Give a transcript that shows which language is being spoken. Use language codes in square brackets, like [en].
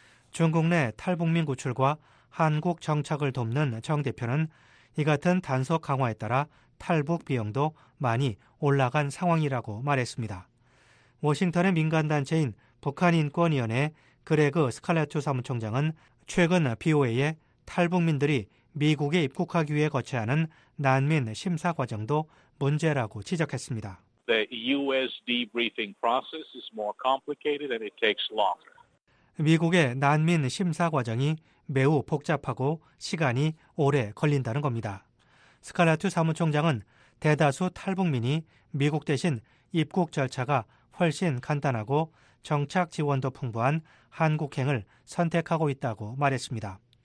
[ko] 중국 내 탈북민 구출과 한국 정착을 돕는 정 대표는 이 같은 단속 강화에 따라 탈북 비용도 많이 올라간 상황이라고 말했습니다. 워싱턴의 민간단체인 북한인권위원회 그레그 스칼레토 사무총장은 최근 BOA에 탈북민들이 미국에 입국하기 위해 거쳐야 하는 난민 심사 과정도 문제라고 지적했습니다. [en] The U.S. debriefing process is more complicated and it takes longer. [ko] 미국의 난민 심사 과정이 매우 복잡하고 시간이 오래 걸린다는 겁니다. 스칼레토 사무총장은 대다수 탈북민이 미국 대신 입국 절차가 훨씬 간단하고 정착 지원도 풍부한 한국행을 선택하고 있다고 말했습니다.